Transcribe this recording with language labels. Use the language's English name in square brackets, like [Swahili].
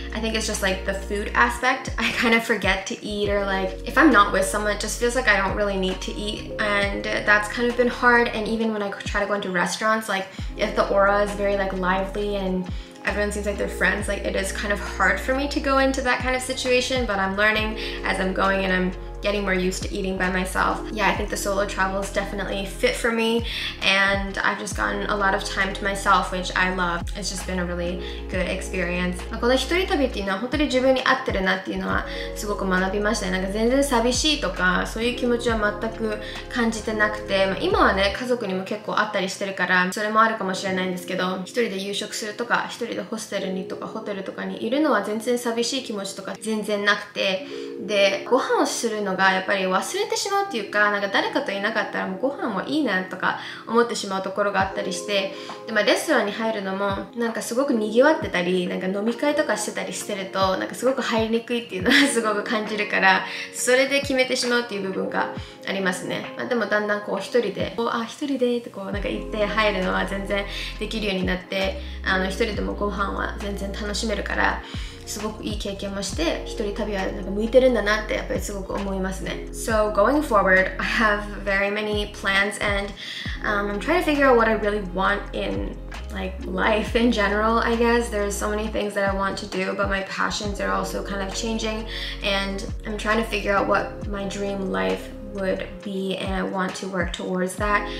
[English] I think it's just like the food aspect. I kind of forget to eat or like if I'm not with someone it just feels like I don't really need to eat and that's kind of been hard and even when I try to go into restaurants like if the aura is very like lively and everyone seems like they're friends like it is kind of hard for me to go into that kind of situation but I'm learning as I'm going and I'm getting more used to eating by myself. Yeah, I think the solo travel is definitely fit for me and I've just gotten a lot of time to myself, which I love. It's just been a really good experience. [Japanese] この一人旅っていうのは本当に自分に合ってるなっていうのはすごく学びましたね。なんか全然寂しいとかそういう気持ちは全く感じてなくて、まあ、今はね、家族にも結構会ったりしてるからそれもあるかもしれないんですけど、一人で夕食するとか、一人でホステルにとかホテルとかにいるのは全然寂しい気持ちとか全然なくて、で、ご飯をするのがやっぱり忘れてしまうっていうか、なんか誰かといなかったらもうご飯もいいなとか思ってしまうところがあったりして、で、まあ、レストランに入るのもなんかすごく賑わってたり、なんか飲み会とかしてたりしてるとなんかすごく入りにくいっていうのはすごく感じるから、それで決めてしまうっていう部分がありますね。まあ、でもだんだんこう一人で、こう、あ、一人でってこうなんか行って入るのは全然できるようになって、あの一人でもご飯は全然楽しめるから、すごくいい経験もして、一人旅はなんか向いてるんだなってやっぱりすごく思いますね。 [English] So going forward, I have very many plans and、I'm trying to figure out what I really want in like life in general, I guess. There's so many things that I want to do, but my passions are also kind of changing and I'm trying to figure out what my dream life would be and I want to work towards that.